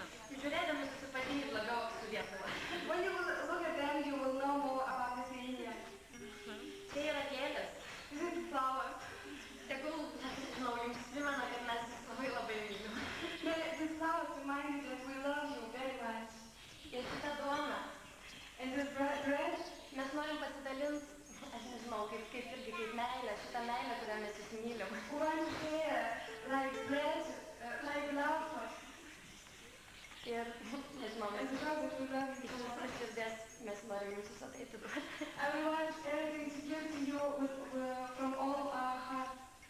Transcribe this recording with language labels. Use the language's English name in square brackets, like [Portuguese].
[English] When you will look at them, you will know more about this India. They are gelas. This is flower. The gold. No, you remember that we love you. This flower reminds me that we love you very much. Yes, it's a donna. And this bread? [Lithuanian] Mes norim pasidalint, aš nežinau, kaip irgi, kaip meilė, šitą meilę, kurią mes jūs mylim. [English] One share, like bread, like love for us. [Lithuanian] Ir, nežinau, mes visą širdies, mes norim jūs visą tai atiduoti. [English] We want everything to give to you from all our hearts.